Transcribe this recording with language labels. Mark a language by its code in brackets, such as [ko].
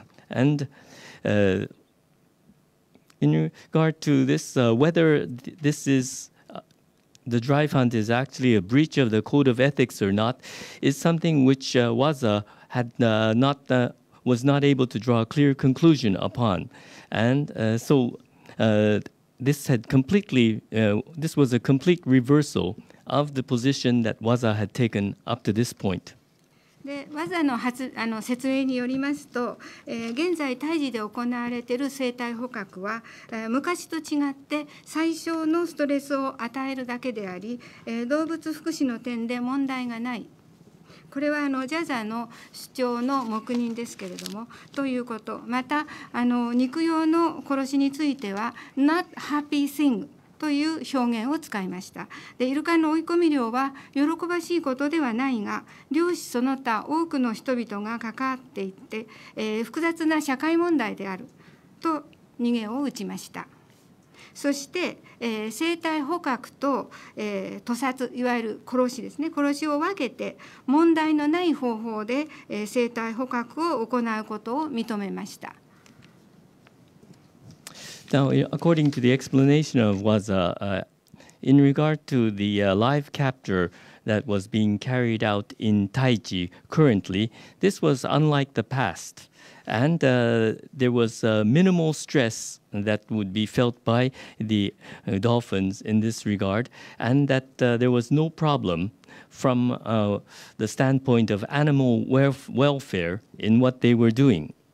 [en] And in regard to this, whether this is the drive hunt is actually a breach of the code of ethics or not, is something which WASA had was not able to draw a clear conclusion upon. And so this was a complete reversal of the position that WASA had taken up to this point. [ja] で、WASA の説明によりますと、現在、胎児で行われている生体捕獲は、昔と違って最小のストレスを与えるだけであり、動物福祉の点で問題がない。これはJAZAの主張の黙認ですけれども、ということ、また肉用の殺しについては、 [en] not happy thing [ja] という表現を使いました。でイルカの追い込み漁は喜ばしいことではないが、漁師その他多くの人々が関わっていて、複雑な社会問題であると逃げを打ちました。そして、生態捕獲と、屠殺、いわゆる殺しですね、殺しを分けて問題のない方法で、生態捕獲を行うことを認めました。 [en] Now, according to the explanation of WASA, in regard to the live capture that was being carried out in Taichi currently, this was unlike the past. And there was minimal stress that would be felt by the dolphins in this regard, and that there was no problem from the standpoint of animal welfare in what they were doing.